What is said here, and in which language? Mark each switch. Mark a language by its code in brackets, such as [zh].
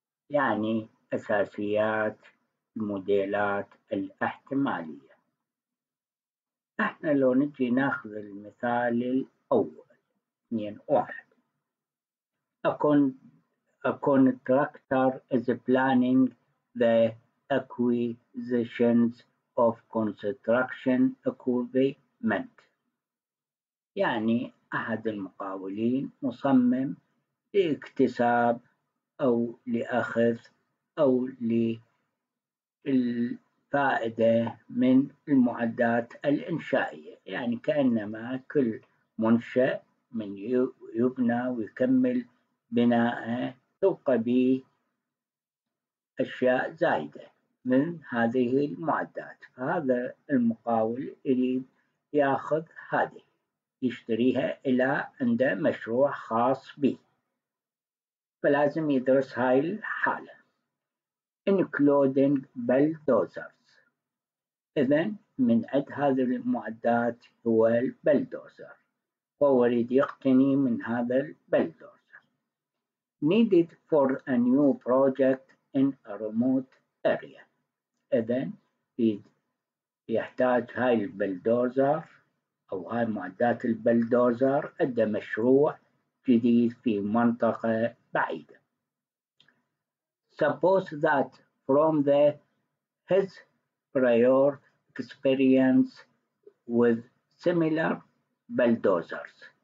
[ar] يعني أساسيات الموديلات الاحتمالية. احنا لو نجي ناخذ المثال الأول 2-1. [en] A contractor is planning the acquisitions of construction equipment. [ar] يعني أحد المقاولين مصمم لاكتساب أو لأخذ أو للفائدة من المعدات الإنشائية. يعني كأنما كل منشأ من يبنى ويكمل بناءه تلقى به أشياء زايدة من هذه المعدات، فهذا المقاول يريد يأخذ هذه يشتريها إلى عنده مشروع خاص به، فلازم يدرس هاي الحالة. [en] Including bulldozers. [ar] إذن من عد هذه المعدات هو البلدوزر، فهو يريد يقتني من هذا البلدوزر. [en] Needed for a new project in a remote area. [ar] إذن يحتاج هاي البلدوزر أو هاي معدات البلدوزر أدى مشروع جديد في منطقة بعيدة. [en] Suppose that from the his prior experience with similar bulldozers.